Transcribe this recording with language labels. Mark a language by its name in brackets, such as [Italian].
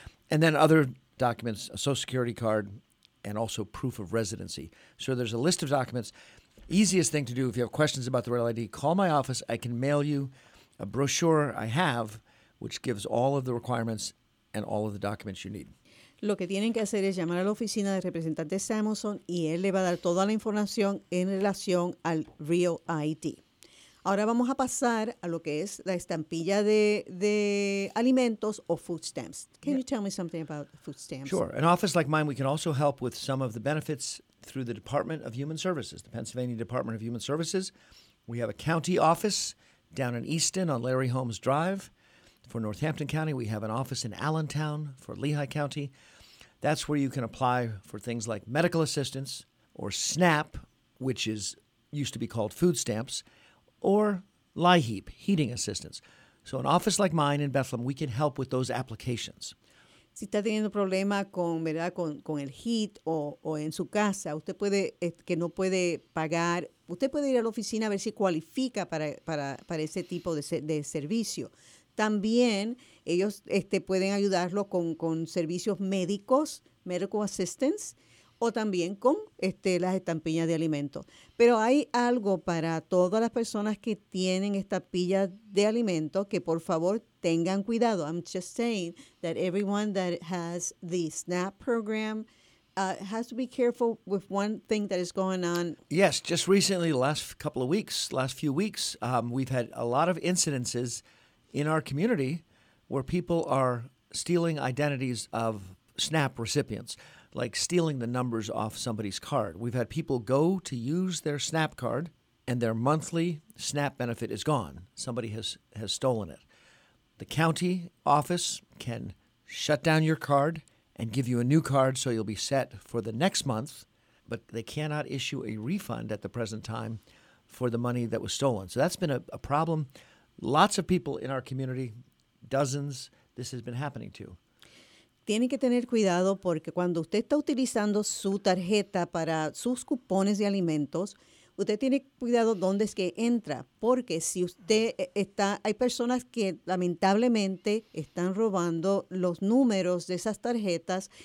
[English] And then other documents, a Social Security card, and also proof of residency. So there's a list of documents. Easiest thing to do if you have questions about the Real ID, call my office. I can mail you a brochure I have, which gives all of the requirements and all of the documents you need. [Spanish] Lo que tienen que hacer es llamar a la oficina de representante Samuelson y él le va a dar toda la información en relación al Real ID. Ahora vamos a pasar a lo que es la estampilla de alimentos o food stamps. [English] Can you tell me something about food stamps? Sure. An office like mine, we can also help with some of the benefits through the Department of Human Services, the Pennsylvania Department of Human Services. We have a county office down in Easton on Larry Holmes Drive for Northampton County. We have an office in Allentown for Lehigh County. That's where you can apply for things like medical assistance or SNAP, which is used to be called food stamps, or LIHEAP, heating assistance. So an office like mine in Bethlehem, we can help with those applications. [Spanish] Si está teniendo problema con, ¿verdad?, con el heat o en su casa, usted puede, que no puede pagar, usted puede ir a la oficina a ver si cualifica para ese tipo de servicio. También ellos pueden ayudarlo con servicios médicos, [English] medical assistance, [Spanish] o también con las estampillas de alimentos. Pero hay algo para todas las personas que tienen estampillas de alimentos que por favor tengan cuidado. [English] I'm just saying that everyone that has the SNAP program has to be careful with one thing that is going on. Yes, just recently, last few weeks, we've had a lot of incidences in our community where people are stealing identities of SNAP recipients, like stealing the numbers off somebody's card. We've had people go to use their SNAP card, and their monthly SNAP benefit is gone. Somebody has stolen it. The county office can shut down your card and give you a new card so you'll be set for the next month, but they cannot issue a refund at the present time for the money that was stolen. So that's been a problem. Lots of people in our community, dozens, this has been happening to. [Spanish] Tiene que tener cuidado porque cuando usted está utilizando su tarjeta para sus cupones de alimentos, usted tiene cuidado dónde es que entra. Porque si usted hay personas que lamentablemente están robando los números de esas tarjetas.